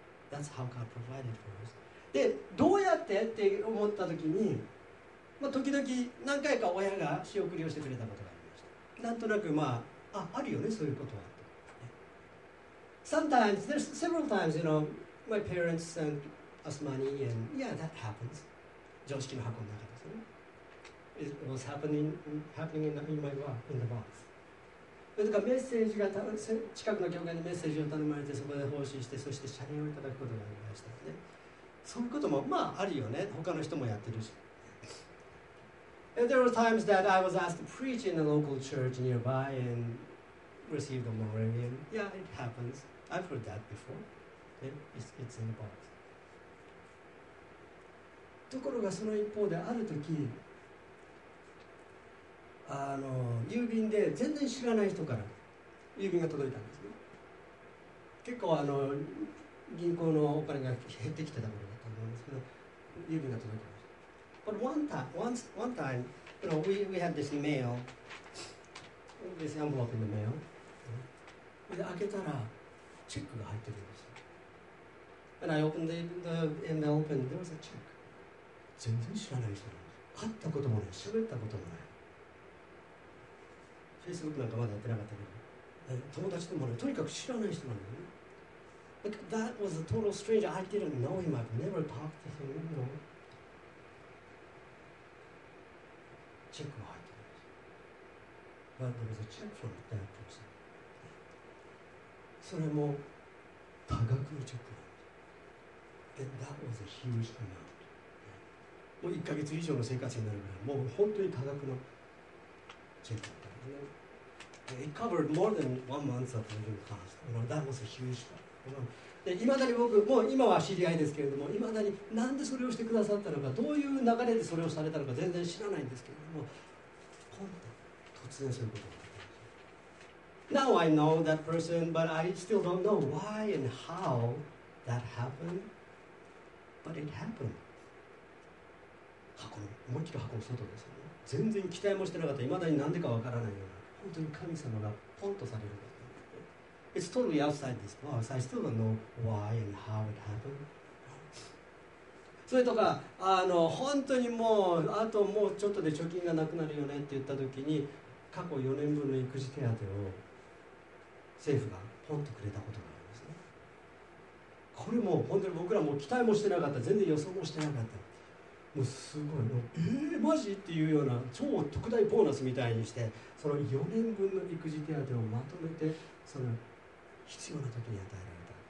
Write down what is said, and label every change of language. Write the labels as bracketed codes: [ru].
[en] That's how God provided for us. [ja] で、どうやってって思ったときに、まあ、時々何回か親が仕送りをしてくれたことがありました。なんとなくまあ、あるよね、そういうことは。 [en] Sometimes, there's several times, you know, my parents sent us money and yeah, that happens. [ja] 常識の箱の中ですね。 [en] It was happening in my work, in the box. [ja] それとかメッセージが、近くの教会でメッセージを頼まれてそこで奉仕して、そして謝礼をいただくことがありましたね。そういうこともまあ、あるよね。他の人もやってるし。 [en] And there were times that I was asked to preach in a local church nearby and received a honorarium. Yeah, it happens. I've heard that before. It's in the box. [ja] ところがその一方である時、郵便で全然知らない人から郵便が届いたんですね。結構銀行のお金が減ってきてたものだと思うんですけど、郵便が届きました。 [en] But one time, you know, we had this mail, this envelope in the mail. [ja] で開けたらチェックが入ってるんです。 [en] And I opened the envelope, there was a check. [ja] 全然知らない人なんです。会ったこともない、喋ったこともない。 Facebook なんかまだやってなかったけど、友達でもね、とにかく知らない人なんだよね。 [en] Like, that was a total stranger. I didn't know him. I've never talked to him. You know. [ja] チェックが入ってます。 [en] But there was a check from that person. [ja] それも多額のチェックなんです。 [en] And that was a huge amount. [ja] もう1ヶ月以上の生活費になるぐらい、もう本当に多額のチェックだったんですね。 [en] It covered more than one month of living cost. You know, that was a huge one. [ja] で、いまだに僕、もう今は知り合いですけれども、いまだになんでそれをしてくださったのか、どういう流れでそれをされたのか全然知らないんですけれども、今度、突然そういうことになった。 [en] Now I know that person, but I still don't know why and how that happened. But it happened. [ja] 箱の、思いっきり箱の外ですよね。全然期待もしてなかった。いまだになんでかわからないような。本当に神様がポンとされる。 [en] It's totally outside this box. I still don't know why and how it happened. [ja] それとか、本当にもう、あともうちょっとで貯金がなくなるよねって言った時に、過去4年分の育児手当を政府がポンとくれたことがあるんですね。これも本当に僕らも期待もしてなかった。全然予想もしてなかった。もうすごいの、マジっていうような超特大ボーナスみたいにして、その4年分の育児手当をまとめて、その必要な時に与えられた。